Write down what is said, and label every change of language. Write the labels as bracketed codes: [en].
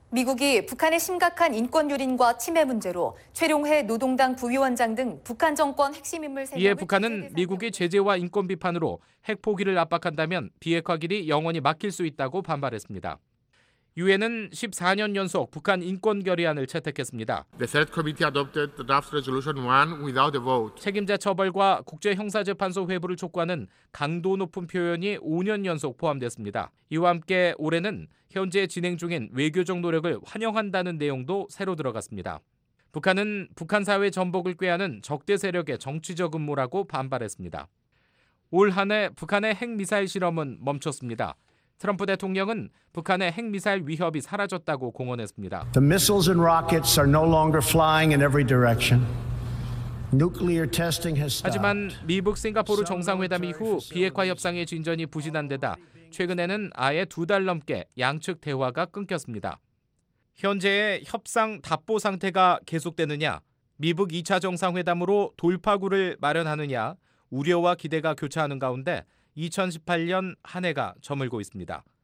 [ko] 미국이 북한의 심각한 인권유린과 침해 문제로 최룡해 노동당 부위원장 등 북한 정권 핵심 인물 3명을 이에 북한은 미국이 제재와 인권 비판으로 핵포기를 압박한다면 비핵화 길이 영원히 막힐 수 있다고 반발했습니다. 유엔은 14년 연속 북한 인권 결의안을 채택했습니다. [en] The Third Committee adopted draft resolution 1 without a vote. [ko] 책임자 처벌과 국제 형사 재판소 회부를 촉구하는 강도 높은 표현이 5년 연속 포함됐습니다. 이와 함께 올해는 현재 진행 중인 외교적 노력을 환영한다는 내용도 새로 들어갔습니다. 북한은 북한 사회 전복을 꾀하는 적대 세력의 정치적 음모라고 반발했습니다. 올 한 해 북한의 핵 미사일 실험은 멈췄습니다. 트럼프 대통령은 북한의 핵미사일 위협이 사라졌다고 공언했습니다. [en] The missiles and rockets are no longer flying in every direction. Nuclear testing has stopped. [ko] 하지만 미북 싱가포르 정상회담 이후 비핵화 협상의 진전이 부진한 데다 최근에는 아예 두 달 넘게 양측 대화가 끊겼습니다. 현재의 협상 답보 상태가 계속되느냐, 미북 2차 정상회담으로 돌파구를 마련하느냐 우려와 기대가 교차하는 가운데 2018년 한 해가 저물고 있습니다.